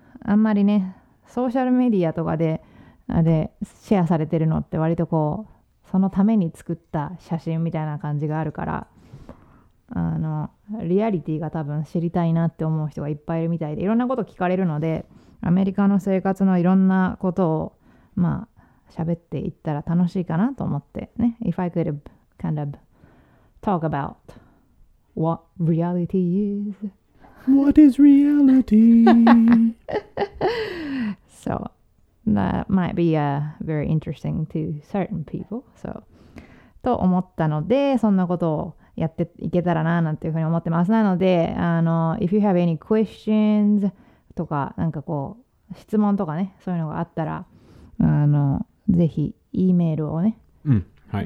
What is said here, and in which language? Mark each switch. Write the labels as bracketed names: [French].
[Japanese] あんまりね、ソーシャルメディアとかで、あれシェアされてるのって割とこう、そのために作った写真みたいな感じがあるから、あのリアリティが多分知りたいなって思う人がいっぱいいるみたいで、いろんなこと聞かれるので、アメリカの生活のいろんなことをまあ喋っていったら楽しいかなと思ってね。 [English] If I could have kind of talk about what reality is, what is reality? So that might be very interesting to certain people. [Japanese] So と思ったので、そんなことをやっていけたらななんていうふうに思ってます。なので、あの [English] If you have any questions [Japanese] とか、なんかこう質問とかね、そういうのがあったら、あのぜひ E メールをね、うん、はい、